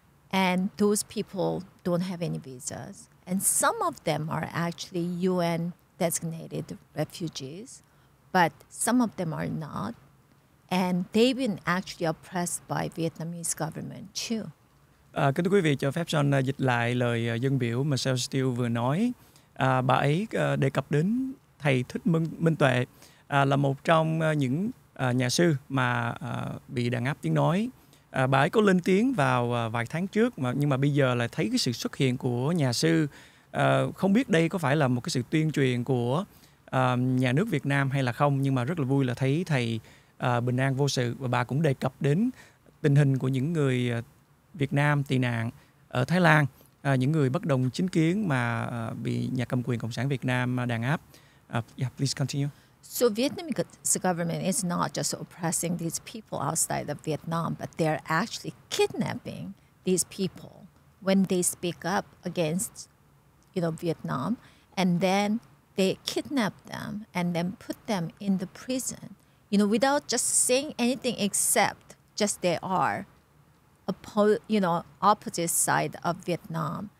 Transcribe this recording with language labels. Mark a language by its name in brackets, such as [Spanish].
[English] And those people don't have any visas. And some of them are actually UN-designated refugees, but some of them are not. And they've been actually oppressed by Vietnamese government too. [Vietnamese] Kính thưa quý vị, cho phép John dịch lại lời dân biểu mà Michelle Steele vừa nói. Bà ấy đề cập đến thầy Thích Minh Tuệ là một trong những nhà sư mà bị đàn áp tiếng nói. Bà ấy có lên tiếng vào vài tháng trước, nhưng mà bây giờ lại thấy cái sự xuất hiện của nhà sư. Không biết đây có phải là một cái sự tuyên truyền của nhà nước Việt Nam hay là không, nhưng mà rất là vui là thấy thầy bình an vô sự. Và bà cũng đề cập đến tình hình của những người Việt Nam tị nạn ở Thái Lan, những người bất đồng chính kiến mà bị nhà cầm quyền Cộng sản Việt Nam đàn áp. [English] Yeah, please continue. So Vietnamese government is not just oppressing these people outside of Vietnam, but they're actually kidnapping these people when they speak up against, you know, Vietnam. And then they kidnap them and then put them in the prison, you know, without just saying anything except just they are, you know, opposite side of Vietnam.